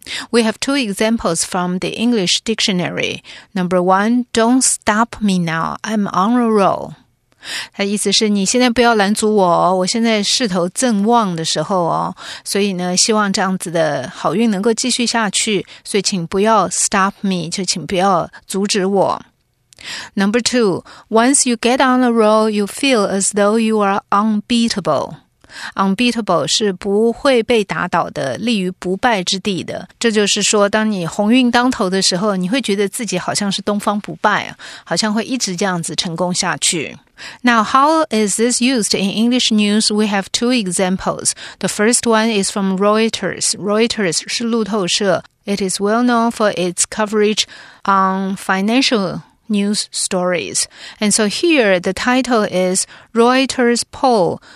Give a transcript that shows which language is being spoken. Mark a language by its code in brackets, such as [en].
[en] We have two examples from the English dictionary. Number one, don't stop me now, I'm on a roll. [zh] 它意思是你现在不要拦阻我哦，我现在势头正旺的时候哦，所以呢，希望这样子的好运能够继续下去，所以请不要 [en] stop me, [zh] 就请不要阻止我。 [en] Number two, once you get on a roll, you feel as though you are unbeatable. [zh] Unbeatable 是不会被打倒的，立于不败之地的。这就是说，当你鸿运当头的时候，你会觉得自己好像是东方不败，好像会一直这样子成功下去。 [en] Now, how is this used in English news? We have two examples. The first one is from Reuters. Reuters [zh] 是路透社。 [en] It is well known for its coverage on financial news stories. And so here, the title is Reuters poll.